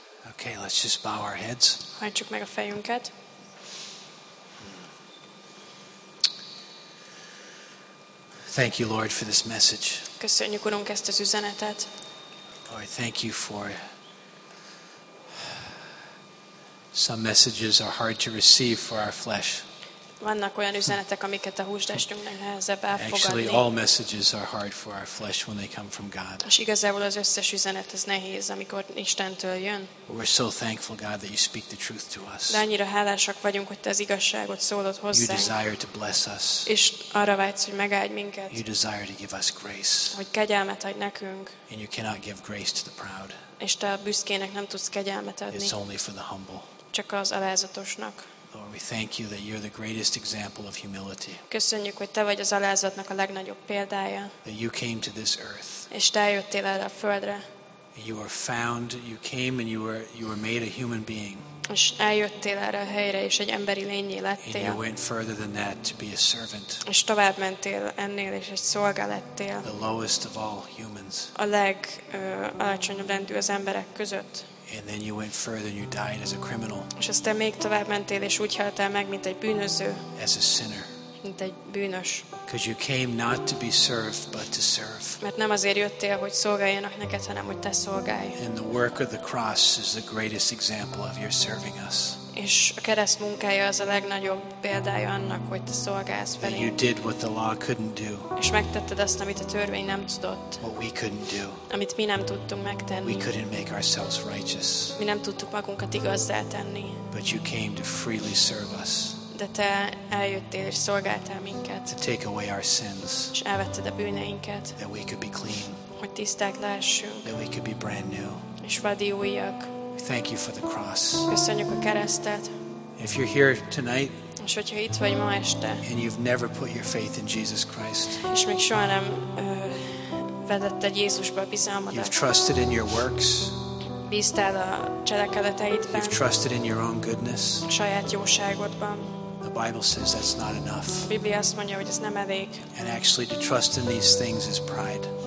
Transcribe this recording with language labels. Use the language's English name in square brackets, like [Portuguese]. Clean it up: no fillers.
[English] Okay, let's just bow our heads. [Hungarian] Hajtsuk meg a fejünket. [English] Thank you, Lord, for this message. [Hungarian] Köszönjük, Urunk, ezt az üzenetet. [English] Lord, thank you for some messages are hard to receive for our flesh. [Hungarian] Vannak olyan üzenetek, amiket a húsdestünknek nehezebb elfogadni. [English] Actually, all messages are hard for our flesh when they come from God. [Hungarian] És igazából az összes üzenet az nehéz, amikor Istentől jön. [English] We're so thankful, God, that you speak the truth to us. [Hungarian] De annyira hálásak vagyunk, hogy te az igazságot szólod hozzánk. [English] You desire to bless us. [Hungarian] És arra vágysz, hogy megáld minket. [English] You desire to give us grace. [Hungarian] Hogy kegyelmet adj nekünk. [English] And you cannot give grace to the proud. [Hungarian] És te a büszkének nem tudsz kegyelmet adni. [English] It's only for the humble. [Hungarian] Csak az alázatosnak. [English] Lord, we thank you that you're the greatest example of humility. [Hungarian] Köszönjük, hogy te vagy az alázatnak a legnagyobb példája. [English] That you came to this earth. [Hungarian] És te eljöttél erre a földre. [English] You were found, you came and you were made a human being. [Hungarian] És eljöttél erre a helyre, és egy emberi lényé lettél. [English] And you went further than that to be a servant. [Hungarian] És tovább mentél ennél, és egy szolga lettél. [English] The lowest of all humans. [Hungarian] A legalacsonyabb rendű az emberek között. [English] And then you went further and you died as a criminal. [Hungarian] És aztán még tovább mentél, és úgy haltál meg, mint egy bűnöző. [English] As a sinner. [Hungarian] Mint egy bűnös. [English] Because you came not to be served, but to serve. [Hungarian] Mert nem azért jöttél, hogy szolgáljanak neked, hanem hogy te szolgálj. [English] And the work of the cross is the greatest example of your serving us. [Hungarian] És a kereszt munkája az a legnagyobb példája annak, hogy te szolgálsz felénk. [English] And you did what the law couldn't do. [Hungarian] És megtetted azt, amit a törvény nem tudott. [English] What we couldn't do. [Hungarian] Amit mi nem tudtunk megtenni. [English] We couldn't make ourselves righteous. [Hungarian] Mi nem tudtuk magunkat igazzá tenni. [English] But you came to freely serve us. [Hungarian] De te eljöttél és szolgáltál minket. [English] To take away our sins. [Hungarian] És elvetted a bűneinket. [English] That we could be clean. [Hungarian] Hogy tiszták lássunk. [English] That we could be brand new. [Hungarian] És vadi újak. [English] Thank you for the cross. [Hungarian] Köszönjük a keresztet. [English] If you're here tonight, [Hungarian] és hogyha itt vagy ma este, [English] and you've never put your faith in Jesus Christ, [Hungarian] és még soha nem vetetted Jézusba bizalmadat, [English] you've trusted in your works, [Hungarian] bíztál a cselekedeteidben, [English] you've trusted in your own goodness, [Hungarian] saját jóságodban. [English] The Bible says that's not enough. [Hungarian] A Biblia azt mondja, hogy ez nem elég. [English] And actually, to trust in these things is pride.